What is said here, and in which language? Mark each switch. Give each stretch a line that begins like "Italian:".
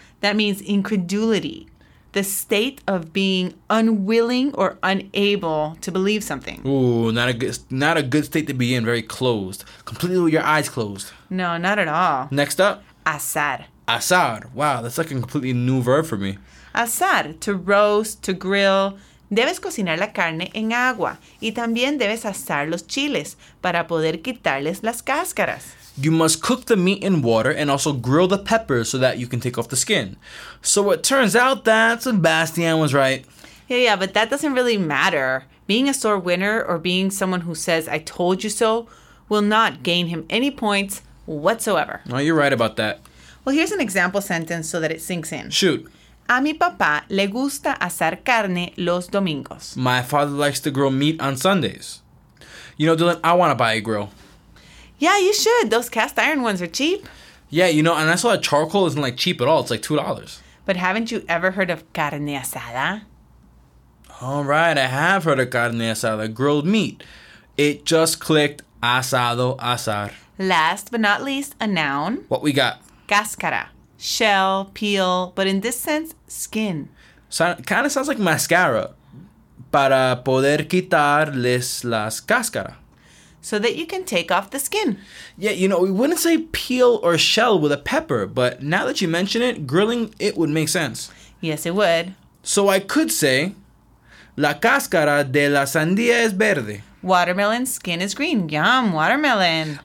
English: That means incredulity. The state of being unwilling or unable to believe something. Ooh, not a good state to be in. Very closed. Completely with your eyes closed. No, not at all. Next up. Asar. Asar. Wow, that's like a completely new verb for me. Asar, to roast, to grill.
Spanish: Debes cocinar la carne en agua. Y también debes asar los chiles para poder quitarles las cáscaras.
English: You must cook the meat in water and also grill the peppers so that you can take off the skin. So it turns out that Sebastian was right. Yeah, but that doesn't really matter. Being a sore winner or being someone who says, I told you so, will not gain him any points whatsoever. No, you're right about that. Well, here's an example sentence so that it sinks in. Shoot.
Spanish: A mi papá le gusta asar carne los domingos.
English: My father likes to grill meat on Sundays. You know, Dylan, I want to buy a grill. Yeah, you should. Those cast iron ones are cheap. Yeah, you know, and I saw that charcoal isn't like cheap at all. It's like $2. But haven't you ever heard of carne asada? All right, I have heard of carne asada, grilled meat. It just clicked asado, asar. Last but not least, a noun. What we got? Cáscara. shell, peel, but in this sense, skin. So, kind of sounds like mascara.
Spanish: Para poder quitarles las cáscaras.
English: So that you can take off the skin. Yeah, you know, we wouldn't say peel or shell with a pepper, but now that you mention it, grilling, it would make sense. Yes, it would. So I could say,
Spanish: la cáscara de la sandía es verde.
English: Watermelon skin is green. Yum, watermelon.